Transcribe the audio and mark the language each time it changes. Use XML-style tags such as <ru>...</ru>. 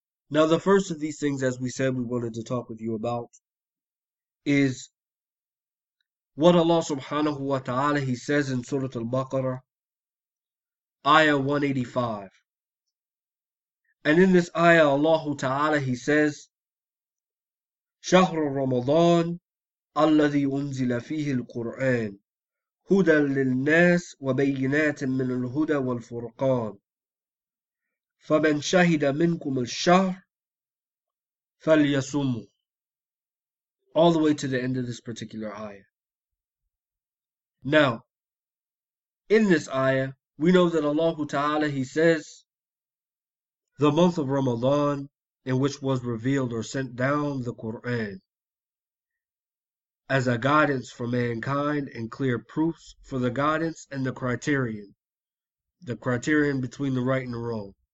<en>Now, the first of these things, as we said, we wanted to talk with you about is what Allah subhanahu wa ta'ala, He says in Surah Al-Baqarah, Ayah 185. And in this ayah, Allah ta'ala, He says,</en> <ar>شَهْرُ رَمَضَانَ الَّذِي أُنزِلَ فِيهِ الْقُرْآنِ هُدًى لِلنَّاسِ وَبَيِّنَاتٍ مِّنَ الْهُدَى وَالْفُرْقَانِ فَمَنْ شَهِدَ مِنْكُمُ الشَّهْرُ فَلْيَصُمُ.</ar> <en>All the way to the end of this particular ayah. Now, in this ayah, we know that Allah Ta'ala, He says, the month of Ramadan, in which was revealed or sent down the Quran, as a guidance for mankind and clear proofs for the guidance and the criterion between the right and the wrong.</en>